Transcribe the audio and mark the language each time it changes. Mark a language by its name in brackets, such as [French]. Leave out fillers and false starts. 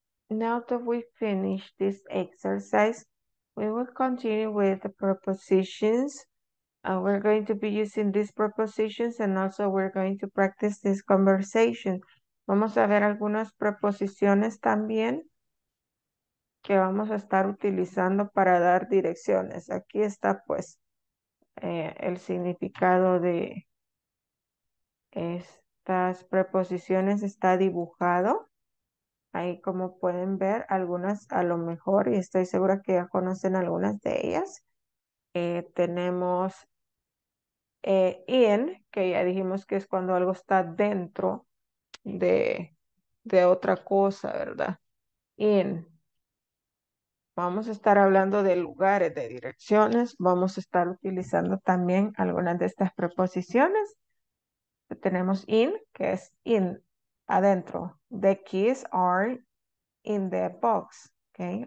[English] Now that we finish this exercise, we will continue with the prepositions. We're going to be using these prepositions and also we're going to practice this conversation. [Spanish] Vamos a ver algunas preposiciones también que vamos a estar utilizando para dar direcciones. Aquí está pues el significado de estas preposiciones está dibujado. Ahí como pueden ver, algunas a lo mejor, y estoy segura que ya conocen algunas de ellas. Tenemos in, que ya dijimos que es cuando algo está dentro de otra cosa, ¿verdad? In. Vamos a estar hablando de lugares, de direcciones. Vamos a estar utilizando también algunas de estas preposiciones. Tenemos in, que es in. [English] Adentro, the keys are in the box, okay?